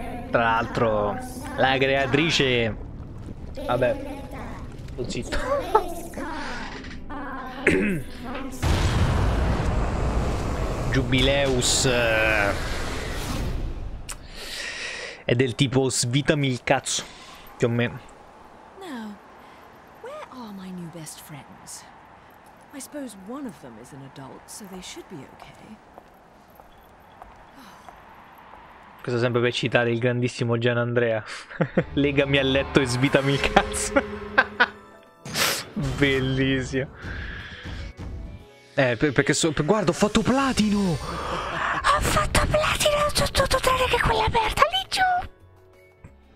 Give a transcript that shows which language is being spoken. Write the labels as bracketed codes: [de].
[it] Tra l'altro, la creatrice... Vabbè, sto zitto. Jubileus... è del tipo svitami il cazzo, più o meno. [en] Now, where are my new best friends? I suppose one of them is an adult, so they should be okay. [it] Questo sempre per citare il grandissimo Gian Andrea. Legami al letto e svitami il cazzo. Bellissimo. Perché so... Guarda, ho fatto platino! Ho fatto platino su tutto tranne che quella aperta lì giù!